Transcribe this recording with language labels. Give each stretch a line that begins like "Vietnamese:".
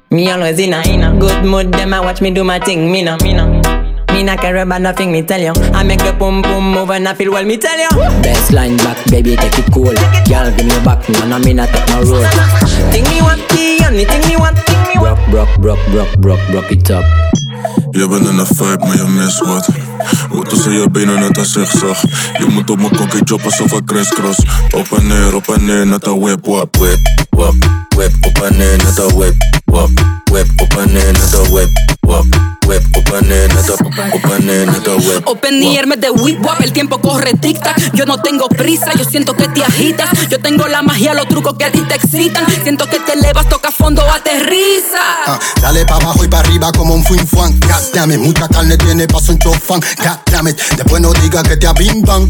English: Me always in a good mood, them a watch me do my thing. Me nah care about nothing, me tell you. I make the boom boom move and I feel well, me tell you. Best line back, baby, take it cool. Girl, give me back, man, I me nah take no road. Think me want key, and think me want, think me want. Rock it up.
Dutch: Je bent in de vibe, maar je mist wat. Wat tussen je benen net als ik zag. Je moet op mijn kokkie choppen, alsof ik crisscross. Op en neer, net als whip, wap. Whip, wap, whip, op en neer, net als whip, wap. Whip, op en neer, net als whip, wap. Whip, op en neer, net als whip, wap. Op en neer, met de whip, wap.
Spanish: El tiempo corre tic-tac. Yo no tengo prisa, yo siento que te agitas. Yo tengo la magia, los trucos que a ti te excitan. Siento que te elevas, toca fondo, aterriza. Dale pa' abajo y pa' arriba como un fuin fuan. God damn it, mucha carne tiene pa' su chofan. God damn it, después no digas que te abimban.